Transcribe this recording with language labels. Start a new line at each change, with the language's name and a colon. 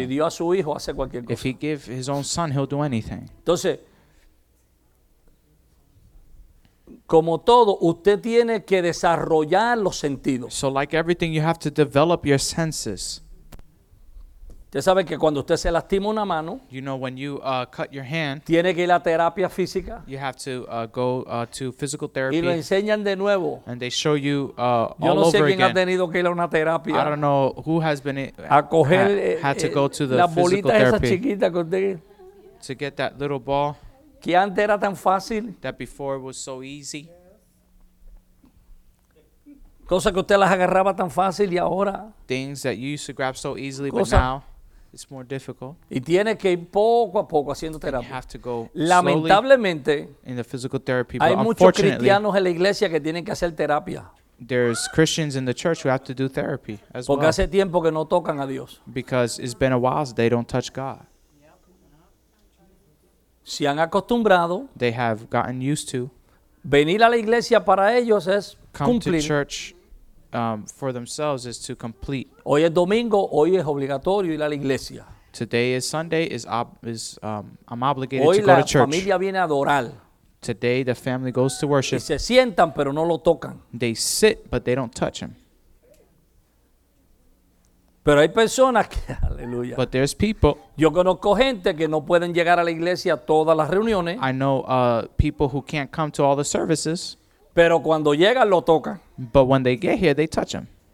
Spanish: Si dio a su hijo hace cualquier cosa.
English: If he give his own son, he'll do anything.
Spanish: Entonces, como todo, usted tiene que desarrollar los sentidos.
English: So like everything, you have to develop your senses.
Spanish: Usted sabe que cuando usted se lastima una mano,
English: you know when you cut your hand,
Spanish: tiene que ir a terapia física.
English: You have to go to physical therapy.
Spanish: Y lo enseñan de nuevo.
English: And they show you all again.
Spanish: Yo no sé quién
English: again
Spanish: ha tenido que ir a una terapia.
English: I don't know who has been
Spanish: a coger,
English: had to go to the physical therapy.
Spanish: Esa chiquita que usted,
English: to get that little ball.
Spanish: Que antes era tan fácil.
English: That before it was so easy.
Spanish: Cosa que usted las agarraba tan fácil y ahora.
English: Things that you used to grab so easily, cosa, but now it's more difficult.
Spanish: Y tiene que ir poco a poco haciendo terapia.
English: You have to go
Spanish: lamentablemente
English: in the physical therapy,
Spanish: hay muchos cristianos en la iglesia que tienen que hacer terapia.
English: there's Christians in the church who have to do therapy as
Spanish: Porque
English: well.
Spanish: Hace tiempo que no tocan a Dios.
English: Because it's been a while so they don't touch God.
Spanish: Se han acostumbrado.
English: They have gotten used to.
Spanish: Venir a la iglesia para ellos es
English: come
Spanish: cumplir.
English: To church for themselves is to complete.
Spanish: Hoy es domingo, hoy es obligatorio ir a la iglesia.
English: Today is Sunday, I'm obligated
Spanish: hoy
English: to go to church.
Spanish: Hoy la familia viene a adorar.
English: Today the family goes to worship.
Spanish: Y se sientan, pero no lo tocan.
English: They sit, but they don't touch him.
Spanish: Pero hay personas que, aleluya.
English: But there's people.
Spanish: Yo conozco gente que no pueden llegar a la iglesia a todas las reuniones.
English: I know people who can't come to all the services.
Spanish: Pero cuando llegan, lo tocan.
English: But when they get here, they touch him.